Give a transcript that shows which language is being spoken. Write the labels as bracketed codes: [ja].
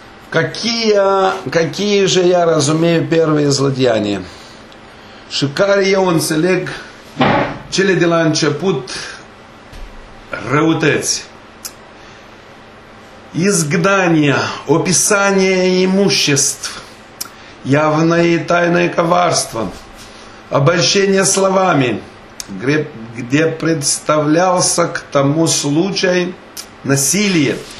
[ru] Какие же я разумею первые злодеяния? [ro] Și care eu înțeleg cele de la început răutăți? [ru] Изгнание, описание имуществ, явное и тайное коварство, обольщение словами, где представлялся к тому случай насилие,